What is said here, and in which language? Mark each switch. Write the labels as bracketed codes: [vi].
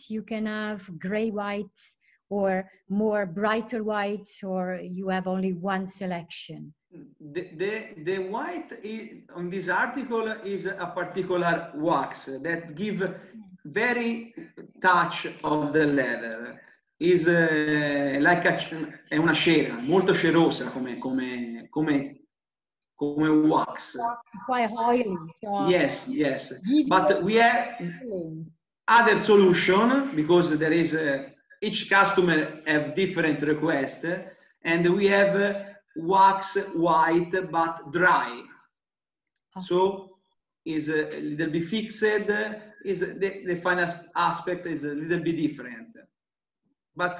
[en] You can have gray white. Or more brighter white, or you have only one selection? The white on this article is a particular wax that give very touch of the leather. Is like a, [it] è una cera molto cerosa come wax. [en] Quite oily. So yes, yes. But we have feeling. Other solution because there is each customer have different request and we have wax white but dry. So is a little bit fixed, is the final aspect is a little bit different. But